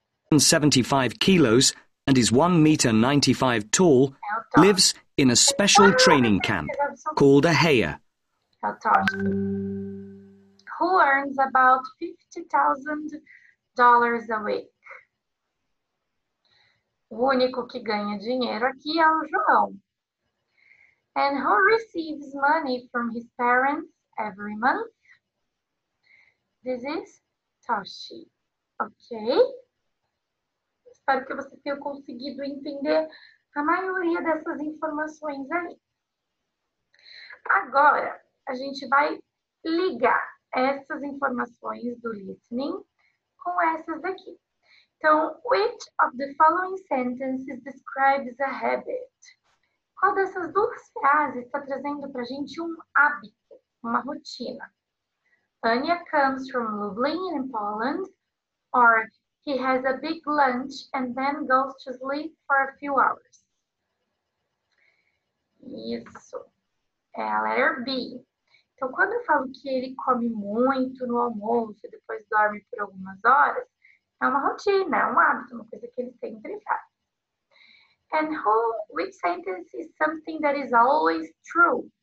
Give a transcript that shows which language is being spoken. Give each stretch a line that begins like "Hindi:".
English: 175 kilos and is 1 meter 95 tall, lives in a special training camp called a heia. Who earns about $50,000 a week?
Portuguese: O único que ganha dinheiro aqui é o João.
English: And who receives money from his parents every month? This is Toshi. Ok?
Portuguese: Espero que você tenha conseguido entender a maioria dessas informações aí. Agora, a gente vai ligar essas informações do listening com essas daqui. Então,
English: which of the following sentences describes a habit?
Portuguese: Qual dessas duas frases está trazendo para a gente um hábito, uma rotina?
English: Ania comes from Lublin in Poland, or he has a big lunch and then goes to sleep for a few hours.
Portuguese: Isso. É a
English: letter B.
Portuguese: Então, quando eu falo que ele come muito no almoço e depois dorme por algumas horas, é uma rotina, é um hábito, uma coisa que ele sempre faz.
English: And which sentence is something that is always true?